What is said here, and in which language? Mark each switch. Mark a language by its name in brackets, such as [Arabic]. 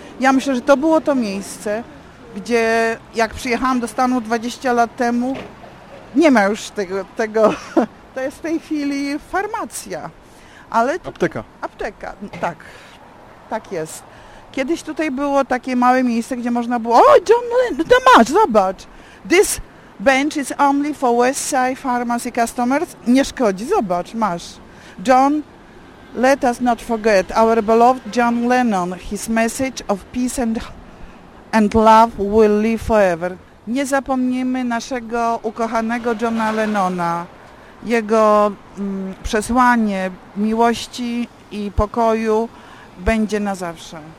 [Polish] Ja myślę, że to było to miejsce, gdzie jak przyjechałam do Stanu 20 lat temu, nie ma już tego. To jest w tej chwili farmacja. Ale apteka. Apteka, tak. Tak jest. Kiedyś tutaj było takie małe miejsce, gdzie można było... O, John Lennon, to masz, zobacz. [English] This bench is only for West Side Pharmacy customers. [Polish] Nie szkodzi, zobacz, masz. [English] John, let us not forget our beloved John Lennon. His message of peace and love will live forever. [Polish] Nie zapomnimy naszego ukochanego Johna Lennona. Jego przesłanie miłości i pokoju będzie na zawsze.